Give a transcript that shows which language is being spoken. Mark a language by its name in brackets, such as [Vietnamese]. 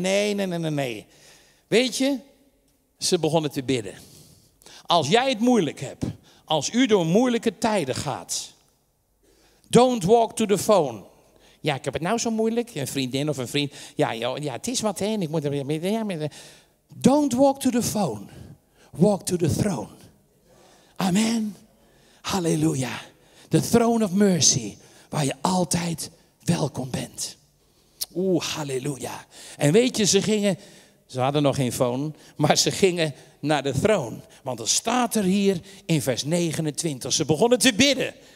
[Dutch] Nee. Weet je, ze begonnen te bidden. Als jij het moeilijk hebt, als u door moeilijke tijden gaat, don't walk to the phone. Ja, ik heb het nou zo moeilijk, een vriendin of een vriend. Ja, het is wat heen, ik moet er weer mee. [English] Don't walk to the phone, walk to the throne. Amen. Halleluja. The throne of mercy, waar je altijd welkom bent. [Dutch] Oeh, halleluja. En weet je, ze gingen, ze hadden nog geen phone, maar ze gingen naar de throne. Want er staat er hier in vers 29, ze begonnen te bidden.